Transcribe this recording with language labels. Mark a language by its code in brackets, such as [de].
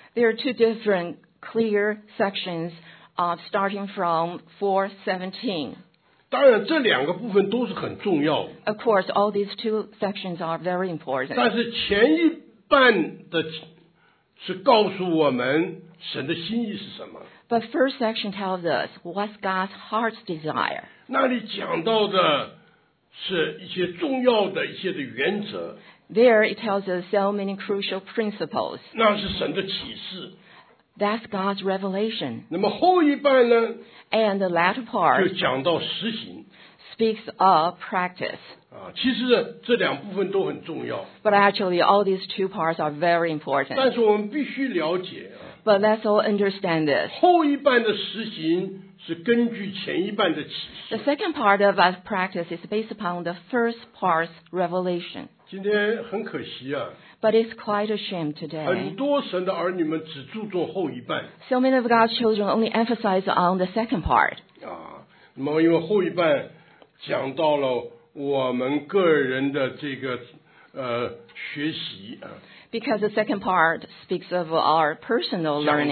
[en] There are two different clear sections, starting from 4:17. [zh] 当然，这两个部分都是很重要的。 [en] Of course, all these two sections are very important. [zh] 但是前一半的，是告诉我们神的心意是什么。 [en] But first section tells us what's God's heart's desire. [zh] 那里讲到的是一些重要的一些的原则。 [en] There it tells us so many crucial principles. [zh] 那是神的启示。 [en] That's God's revelation. [zh] 那么后一半呢？ [en] And the latter part [zh] 就讲到实行。 [en] Speaks of practice. [zh] 其实这两部分都很重要。 [en] But actually all these two parts are very important. [zh] 但是我们必须了解。 [en] But let's all understand this. [zh] 后一半的实行是根据前一半的启示。 [en] The second part of our practice is based upon the first part's revelation. [zh] 今天很可惜啊。 [en] But it's quite a shame today. [zh] 很多神的儿女们只注重后一半。 [en] So many of God's children only emphasize on the second part. [zh] 啊，那么因为后一半讲到了我们个人的这个学习啊。 [en] Because the second part speaks of our personal learning.